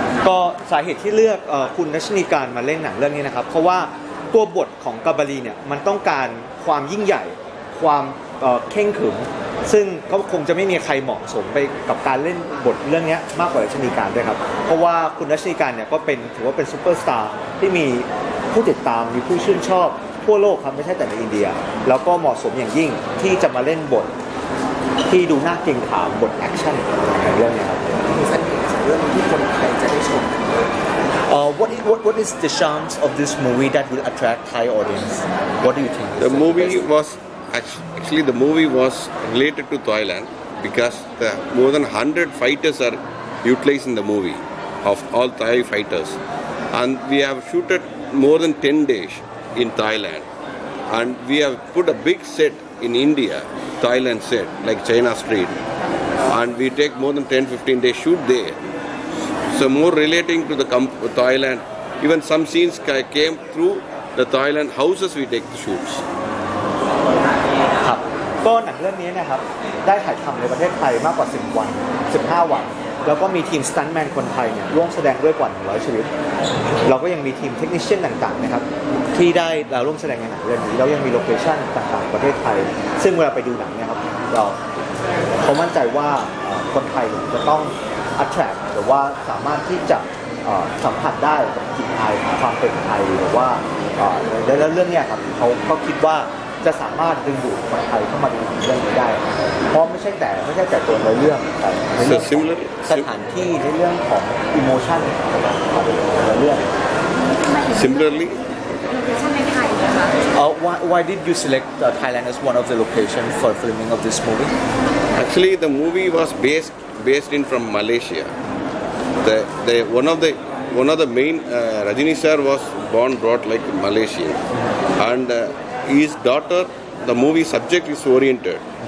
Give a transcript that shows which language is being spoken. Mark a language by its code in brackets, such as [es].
[en] ก็สาเหตุที่เลือกคุณรัชนีการมาเล่นหนังเรื่องนี้นะครับเพราะว่าตัวบทของกาบาลีเนี่ยมันต้องการความยิ่งใหญ่ความเข่งขึงซึ่งเขาคงจะไม่มีใครเหมาะสมไปกับการเล่นบทเรื่องนี้มากกว่ารัชนีการด้วยครับเพราะว่าคุณรัชนีการเนี่ยก็เป็นถือว่าเป็นซูเปอร์สตาร์ที่มีผู้ติดตามมีผู้ชื่นชอบทั่วโลกครับไม่ใช่แต่ในอินเดียแล้วก็เหมาะสมอย่างยิ่งที่จะมาเล่นบทที่ดูน่าเกรงขามบทแอคชั่นในเรื่องนี้ครับ เรื่องที่คนไทยจะได้ชม What is the chance of this movie that will attract Thai audience? What do you think? The movie wasActually, the movie was related to Thailand because the more than 100 fighters are utilized in the movie, of all Thai fighters. And we have shooted more than 10 days in Thailand. And we have put a big set in India, Thailand set, like China Street. And we take more than 10-15 days shoot there. So more relating to the Thailand, even some scenes came through the Thailand houses we take the shoots. [th] ก็หนังเรื่องนี้นะครับได้ถ่ายทำในประเทศไทยมากกว่า10วัน15วันแล้วก็มีทีมสตันแมนคนไทยเนี่ยร่วมแสดงด้วยกว่า100ชีวิตเราก็ยังมีทีมเทคนิคเช่นต่างๆนะครับที่ได้ร่วมแสดงในหนังเรื่องนี้แล้วยังมีโลเคชั่นต่างๆประเทศไทยซึ่งเวลาไปดูหนังเนี่ยครับ เขามั่นใจว่าคนไทยจะต้อง attract หรือว่าสามารถที่จะสัมผัสได้กับจิตไทยความเป็นไทยหรือว่าแล้วเรื่องเนี้ยครับเขาคิดว่าจะสามารถดึงดูดคนไทยเข้ามาดูเรื่องนี้ได้เพราะไม่ใช่แต่ตัวในเรื่องแต่ในเรื่อง สถานที่ในเรื่องของอิโมชันของเรื่อง [en] similarly why did you select Thailand as one of the location for filming of this movie? Actually, the movie was based in from Malaysia. The one of the main Rajini sir was born brought like Malaysia and His daughter, the movie subject is oriented.